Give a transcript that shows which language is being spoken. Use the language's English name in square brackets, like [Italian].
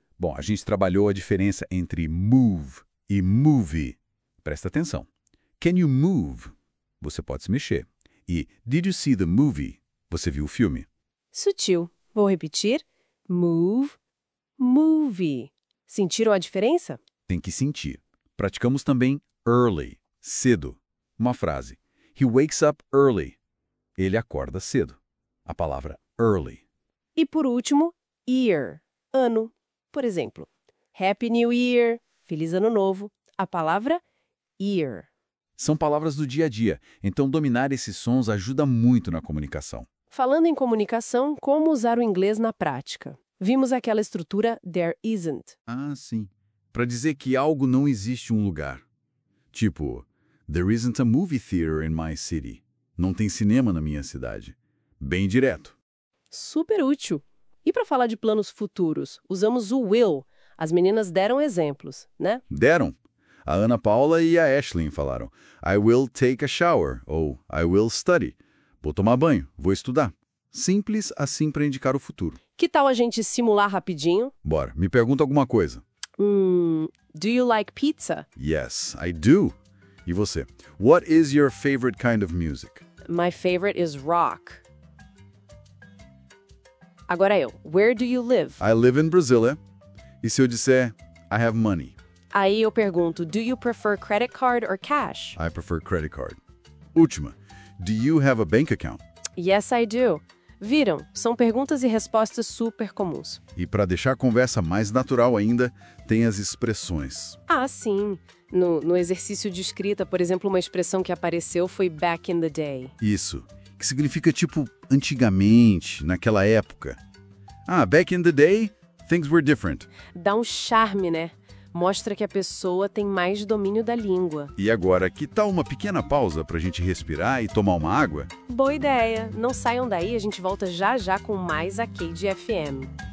[Portuguese] Bom, a gente trabalhou a diferença entre move e movie. Presta atenção. [English] Can you move? [Portuguese] Você pode se mexer. [English] E did you see the movie? [Portuguese] Você viu o filme? Sutil. Vou repetir, move, movie. Sentiram a diferença? Tem que sentir. Praticamos também early, cedo. [English] Uma frase, he wakes up early. [Portuguese] Ele acorda cedo. A palavra early. E por último, year, ano. Por exemplo, [English] happy new year, [Portuguese] feliz ano novo. A palavra year. São palavras do dia a dia, então dominar esses sons ajuda muito na comunicação. Falando em comunicação, como usar o inglês na prática? Vimos aquela estrutura there isn't. Ah, sim. Para dizer que algo não existe um lugar. [English] Tipo, there isn't a movie theater in my city. [Portuguese] Não tem cinema na minha cidade. Bem direto. Super útil. E para falar de planos futuros, usamos o will. As meninas deram exemplos, né? Deram. A Ana Paula e a Ashlyn falaram. [English] I will take a shower ou I will study. [Portuguese] Vou tomar banho, vou estudar. Simples assim para indicar o futuro. Que tal a gente simular rapidinho? Bora, me pergunta alguma coisa. [English] Do you like pizza? Yes, I do. [Portuguese] E você? [English] What is your favorite kind of music? My favorite is rock. [Portuguese] Agora eu. [English] Where do you live? I live in Brasília. [Portuguese] E se eu disser, [English] I have money? [Portuguese] Aí eu pergunto, [English] do you prefer credit card or cash? I prefer credit card. [Portuguese] Última. [English] Do you have a bank account? Yes, I do. [Portuguese] Viram? São perguntas e respostas super comuns. E para deixar a conversa mais natural ainda, tem as expressões. Ah, sim. No exercício de escrita, por exemplo, uma expressão que apareceu foi back in the day. Isso. Que significa tipo antigamente, naquela época. [English] Ah, back in the day, things were different. [Portuguese] Dá um charme, né? Mostra que a pessoa tem mais domínio da língua. E agora, que tal uma pequena pausa para a gente respirar e tomar uma água? Boa ideia! Não saiam daí, a gente volta já já com mais a Cade FM.